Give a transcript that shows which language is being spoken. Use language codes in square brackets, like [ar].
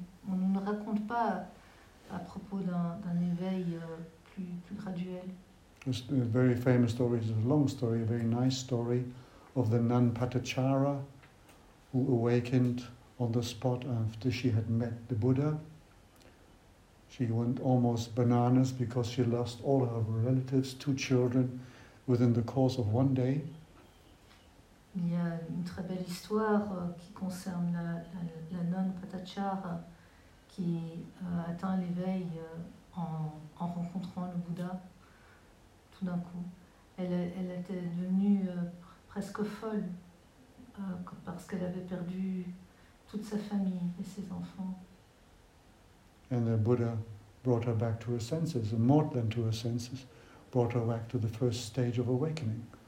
[fr] On ne raconte pas à propos d'un éveil plus graduel. [en] It's a very famous story, it's a long story, a very nice story of the nun Patachara who awakened on the spot after she had met the Buddha. She went almost bananas because she lost all her relatives, 2 children, within the course of one day. [fr] Il y a une très belle histoire qui concerne la nun Patachara qui atteint l'éveil en rencontrant le Bouddha. Tout d'un coup, elle était devenue presque folle parce qu'elle avait perdu toute sa famille et ses enfants. [en] And the Buddha brought her back to her senses, and more than to her senses, brought her back to the first stage of awakening.